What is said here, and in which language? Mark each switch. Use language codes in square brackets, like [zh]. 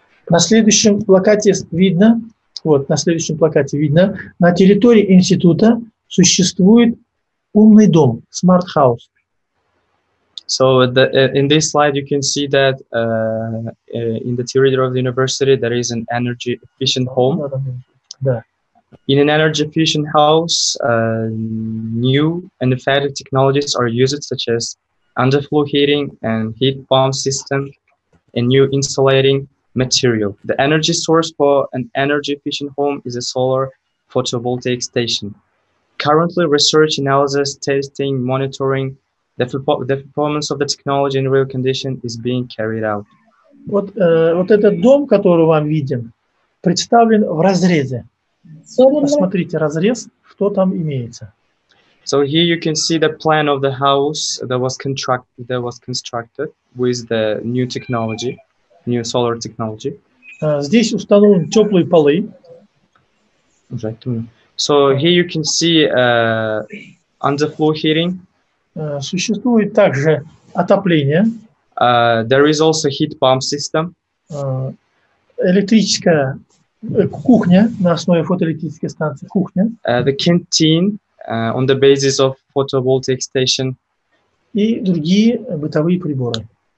[ru] На следующем плакате видно, вот на следующем плакате видно, на территории института существует умный дом, smart house. [en] So the, in this slide, you can see that in the territory of the university, there is an energy efficient home. In an energy efficient house, new and effective technologies are used, such as underfloor heating and heat pump system and new insulating material. The energy source for an energy efficient home is a solar photovoltaic station. Currently, research, analysis, testing, monitoring, the performance of the technology in real condition is being carried out. [ru] Вот, вот этот дом, который вам виден, представлен в разрезе. Посмотрите разрез, что там имеется. [en] So here you can see the plan of the house that was constructed with the new technology, new solar technology. [ru] Здесь установлены теплые полы. [en] Exactly. So here you can see underfloor heating. [ru] Существует также отопление. [en] There is also heat pump system. [ru] Электрическая кухня на основе фотоэлектрической станции. Кухня. [en] The canteen on the basis of photovoltaic station. [ru] И другие бытовые приборы.